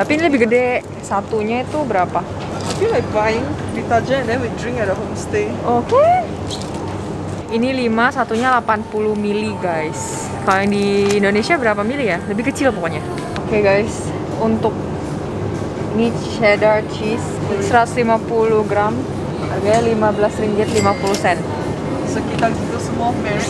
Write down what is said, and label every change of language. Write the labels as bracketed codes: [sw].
[id] Tapi ini lebih gede, satunya itu berapa? [en] I feel like buying detergent and then we drink at a homestay. [id] Oke. Ini 5, satunya 80 mili, guys. Kalau yang di Indonesia berapa mili ya? Lebih kecil pokoknya. Oke, guys. Untuk ini cheddar cheese 150 gram harganya 15.50 ringgit. Sekitar itu semua merek.